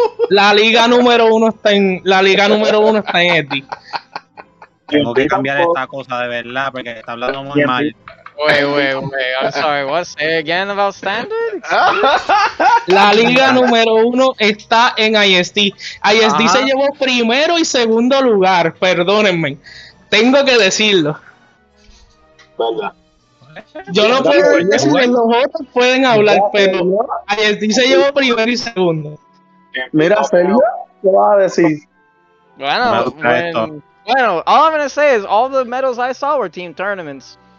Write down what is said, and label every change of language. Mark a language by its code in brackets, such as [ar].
[es] La liga número uno está en. La liga número uno está en Eddie. Tengo que cambiar esta cosa de verdad, porque está hablando muy mal. [en] Wait, I'm sorry, what's again about standards? [es] La liga número uno está en ISD. ISD se llevó primero y segundo lugar, perdónenme. Tengo que decirlo. Venga. Yo no puedo decir que los otros pueden hablar, pero ISD se llevó primero y segundo. Mira, Celia, ¿qué vas a decir? [en] Bueno, all I'm going to say is all the medals I saw were team tournaments.